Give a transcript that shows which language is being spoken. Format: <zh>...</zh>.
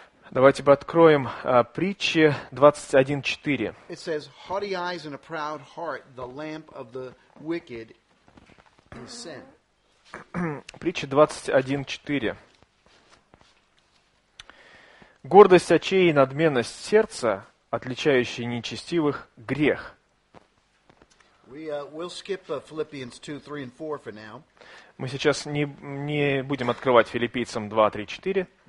<ru>Давайте бы откроем притчи 21.4.</ru> <en>It says, haughty eyes and a proud heart, the lamp of the wicked is sin.</en> <ru>Притча 21.4. Гордость очей и надменность сердца, отличающие нечестивых, грех.</ru> <en>We'll skip Philippians 2, 3 and 4 for now.</en> <ru>Мы сейчас не будем открывать Филиппийцам 2, 3, 4.</ru>